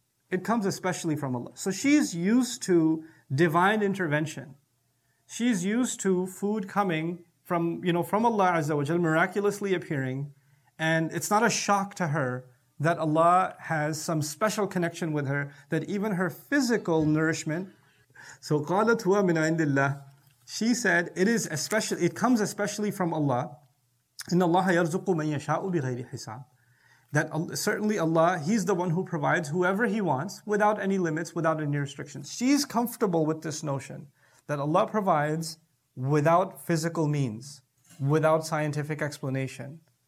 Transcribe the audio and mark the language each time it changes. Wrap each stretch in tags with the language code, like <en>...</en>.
<en>It comes especially from Allah. So she's used to divine intervention. She's used to food coming from, you know, from Allah Azza wa Jal, miraculously appearing. And it's not a shock to her that Allah has some special connection with her, that even her physical nourishment. So</en> <ar>قَالَتْ هُوَ مِنْ عِنْدِ اللَّهِ.</ar> <en>She said, it comes especially from Allah.</en> <ar>إِنَّ اللَّهَ يَرْزُقُ مَنْ يَشَاءُ بِغَيْرِ حِسَابٍ.</ar> <en>That certainly Allah, He's the one who provides whoever He wants, without any limits, without any restrictions. She's comfortable with this notion that Allah provides without physical means, without scientific explanation.</en>